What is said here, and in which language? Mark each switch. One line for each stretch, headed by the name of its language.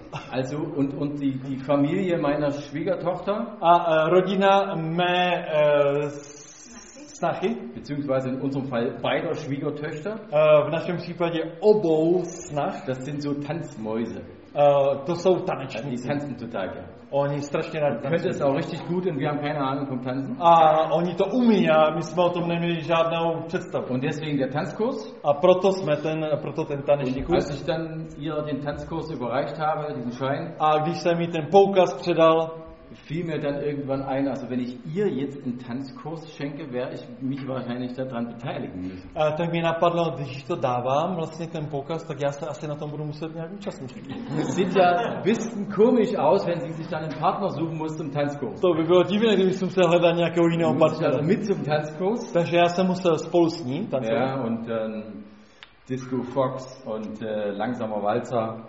German: Also und die Familie meiner Schwiegertochter.
Czech: Rodina mé snachy,
German: beziehungsweise in unserem Fall beider Schwiegertöchter.
Czech: V našem případě obou snach.
German: Das sind so Tanzmäuse.
Czech: To jsou tanečníci.
German: Die tanzen total gerne.
Czech: Oni strašně rád tanzují.
German: Können es auch richtig gut und wir haben keine Ahnung vom Tanzen.
Czech: A oni to umí a my jsme o tom neměli žádnou představu.
German: Und deswegen der Tanzkurs.
Czech: A proto ten taneční kurz.
German: Als ich dann ihr den Tanzkurs überreicht habe, diesen Schein.
Czech: A když jsem jí ten poukaz předal.
German: Fiel mir dann irgendwann ein, also wenn ich ihr jetzt einen Tanzkurs schenke, wäre ich mich wahrscheinlich daran beteiligen müssen.
Czech: Tak mi napadlo, když to dávám, vlastně ten poukaz, tak já se asi na tom budu muset nějak účastnit.
German: Sieht ja ein bisschen komisch aus, wenn sie sich dann einen Partner suchen muss zum Tanzkurs.
Czech: To by bylo divné, kdyby jsem se hledal nějakého jiného partnera.
German: Also mit zum Tanzkurs.
Czech: Takže já jsem musel spolu s ním tanzovat.
German: Ja, und Disco Fox und langsamer Walzer.